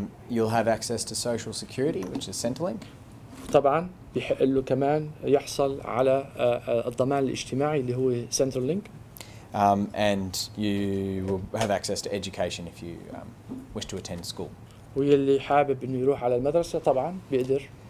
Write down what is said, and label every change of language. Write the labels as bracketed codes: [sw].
[en] You'll have access to social security, which is Centrelink. [ar] طبعاً بيحق له كمان يحصل على الضمان الاجتماعي اللي هو Centrelink. [en] And you will have access to education if you wish to attend school. [ar] واللي حابب إنه يروح على المدرسة طبعاً بيقدر.